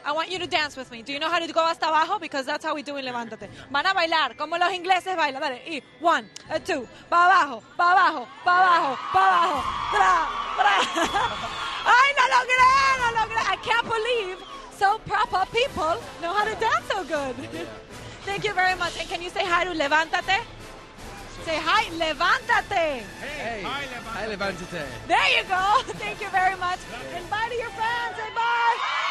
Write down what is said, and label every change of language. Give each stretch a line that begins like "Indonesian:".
English: I want you to dance with me. Do you know how to go
Spanish: hasta abajo?
English: Because that's how we do in Levántate.
Spanish: Van a bailar, como los ingleses bailan. Dale, y
English: one, a two,
Spanish: pa' abajo, pa' abajo, pa' abajo, pa' abajo, tra, tra. ¡Ay, no logré, no logré!
English: I can't believe so proper people know how to dance so good. Thank you very much. And can you say hi to Levántate? Say hi, Levántate. Hey, hi, Levántate. There you go. Thank you very much. And bye to your fans. Say bye.